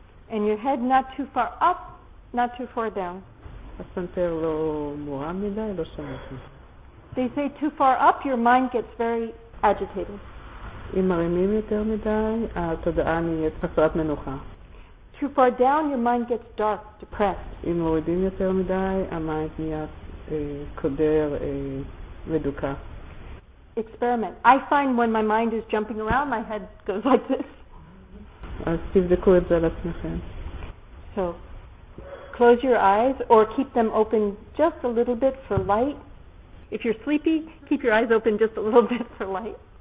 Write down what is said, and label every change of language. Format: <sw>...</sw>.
<en>And your head not too far up, not too far down.</en> <he>הסנטר לא מורם מדי, לא שמח.</he> <en>They say too far up, your mind gets very agitated.</en> <he>אם מרימים יותר מדי, התודעה נהיית חסרת מנוחה.</he> <en>Too far down, your mind gets dark, depressed.</en> <he>אם מורידים יותר מדי, המיינד נהיית קודר ודוקה.</he> <en>Experiment. I find when my mind is jumping around, my head goes like this.</en> <he>אז תבדקו את זה על עצמכם.</he> <en>So, close your eyes or keep them open just a little bit for light. if you're sleepy, keep your eyes open just a little bit for light.</en>